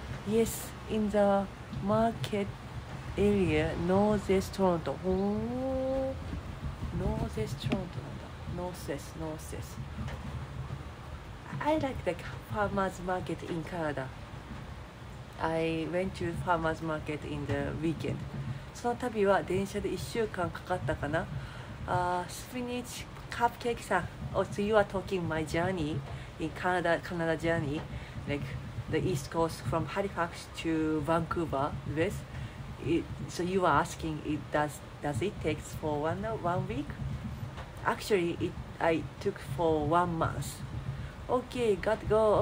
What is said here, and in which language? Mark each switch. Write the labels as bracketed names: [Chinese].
[English] Yes, in the market area, northeast Toronto. Oh, northeast Toronto, nanda. Northeast. I like the farmer's market in Canada. I went to farmer's market in the weekend. [Japanese] その旅は電車で1週間かかったかな。スピニッチカップケーキさん。 [English] Oh, so you are talking my journey in Canada, Canada journey, like the East Coast from Halifax to Vancouver, yes? So you are asking, does it take for one week? Actually, I took for 1 month. Okay, got to go.